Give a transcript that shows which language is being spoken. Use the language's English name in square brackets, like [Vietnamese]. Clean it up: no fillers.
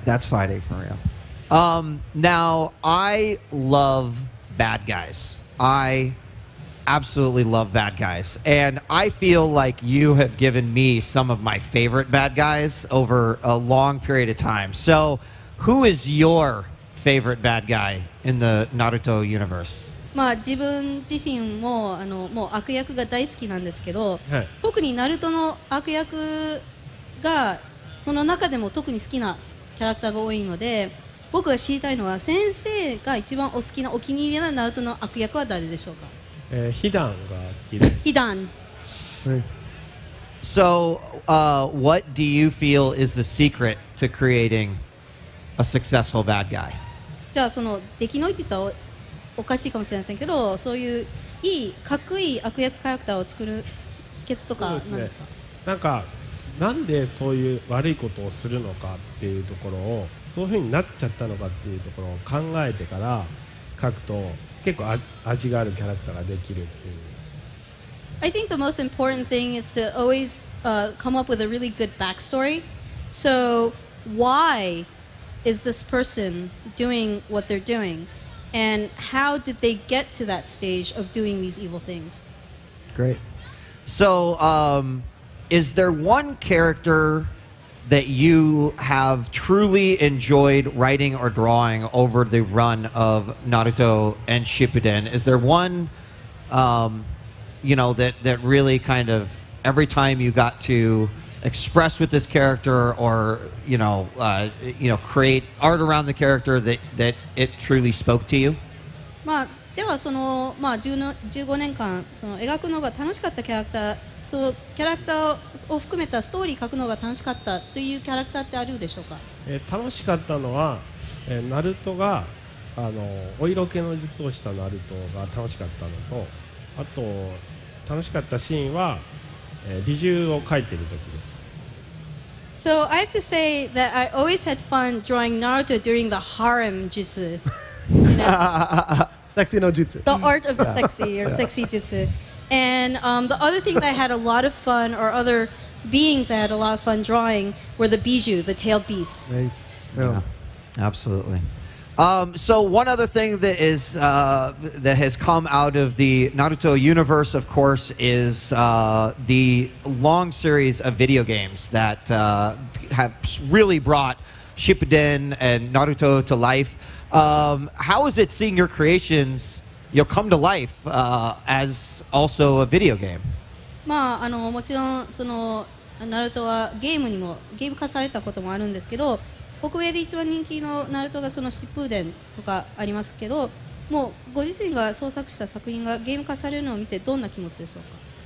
[English] That's fighting for real. Now, I love bad guys. I absolutely love bad guys. And I feel like you have given me some of my favorite bad guys over a long period of time. So who is your favorite bad guy in the Naruto universe? [Japanese] まあ、自分自身 も, あのもう悪役が大好きなんですけど、はい、特にナルトの悪役がその中でも特に好きなキャラクターが多いので僕が知りたいのは先生が一番お好きなお気に入りなナルトの悪役は誰でしょうか、ヒダンが好きですヒダン [English] So,、what do you feel is the secret to creating a successful bad guy? [Japanese] じゃあその出来のいてたおかしいかもしれませんけど、そういういいかっこいい悪役キャラクターを作る秘訣とかなんですか？そうですね。なんかなんでそういう悪いことをするのかっていうところを、そういうふうになっちゃったのかっていうところを考えてから書くと、結構味があるキャラクターができるっていう。 [English] I think the most important thing is to always、come up with a really good backstory. So why is this person doing what they're doing? And how did they get to that stage of doing these evil things? Great. So, is there one character that you have truly enjoyed writing or drawing over the run of Naruto and Shippuden? Is there one, you know, that really kind of every time you got to express with this character or... you know, create art around the character that it truly spoke to you? [Japanese] まあ、ではその、まあ、15年間その描くのが楽しかったキャラクター、そのキャラクターを含めたストーリー描くのが楽しかったというキャラクターってあるでしょうか？楽しかったのは、ナルトがあのお色気の術をしたナルトが楽しかったのと、あと楽しかったシーンは、理由を描いているときです。 [English] So I have to say that I always had fun drawing Naruto during the harem jutsu. You know? Sexy no jutsu. The art of the sexy or sexy jutsu. And the other thing that I had a lot of fun or other beings I had a lot of fun drawing were the Bijuu, the tailed beasts. Nice. Yeah, absolutely. So one other thing that is that has come out of the Naruto universe, of course, is the long series of video games that have really brought Shippuden and Naruto to life. How is it seeing your creations, you know, come to life as also a video game? [Japanese] まあ、あの、もちろんその、Naruto はゲーム化されたこともあるんですけど、北米で一番人気のナルトがそのシップーデンとかありますけど、もうご自身が創作した作品がゲーム化されるのを見てどんな気持ちでしょうか？